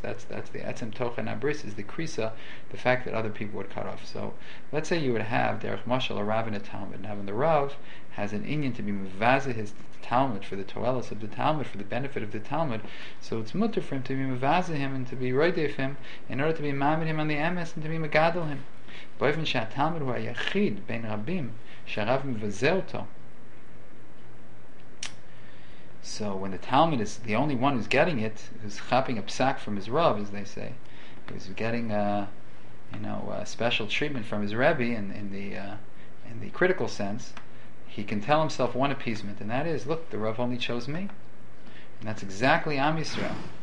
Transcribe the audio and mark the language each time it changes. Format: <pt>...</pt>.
<en>That's the Etzem Tochen HaBris, is the Krisa, the fact that other people would cut off. So, let's say you would have Derech Moshel, a Rav in a Talmud, and having the Rav has an Inyan to be Mevazeh his Talmud, for the Toelos of the Talmud, for the benefit of the Talmud, so it's Mutter for him to be Mevazeh him, and to be Roidev him, in order to be Mamed him on the Emes, and to be Megadol him.</en> <he>באופן שהתלמיד הוא היחיד בין רבים שהרב מבזה אותו.</he> <en>So when the Talmud is the only one who's getting it, who's chopping a psak from his rav, as they say, who's getting a special treatment from his Rebbe in the critical sense, he can tell himself one appeasement, and that is, look, the rav only chose me, and that's exactly Am Yisrael.</en>